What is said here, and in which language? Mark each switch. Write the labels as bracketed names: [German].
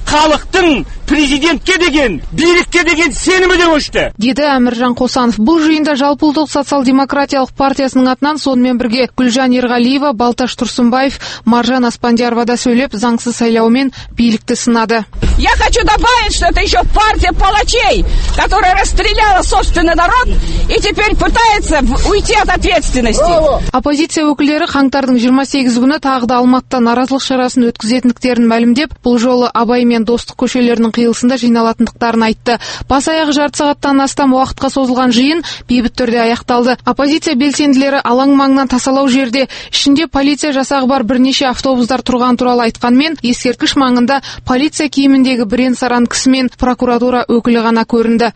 [Kazakh] халықтың президентке деген, билікке деген сенімі де өшті. Деді Әміржан Қосанов. Бұл жиында жалпыұлттық социал-демократиялық партиясының атынан сонымен бірге Гүлжан Ерғалиева, Балташ Тұрсынбаев, Маржан Аспандиярова да сөйлеп, заңсыз сайлаумен билікті сынады. [Russian] Я хочу добавить, что это еще партия палачей, которая расстреляла собственный народ и теперь пытается уйти от ответственности. [Kazakh] Оппозиция өкілдері қаңтардың 28 күні тағы да Алматыда наразылық шарасын өткізетіндіктерін мәлімдеп, бұл жолы Абай мен Достық көшелерінің қиылысында жиналатындықтарын айтты. Бас аяғы жарты сағаттан астам уақытқа созылған жиын бейбіт түрде аяқталды. Оппозиция белсенділері алаң маңынан тасалау жерде ішінде полиция жасағы бар бірнеше автобустар тұрған туралы айтқанмен, ескерткіш маңында полиция киіміндегі бірен-саран кісі мен прокуратура өкілі ғана көрінді.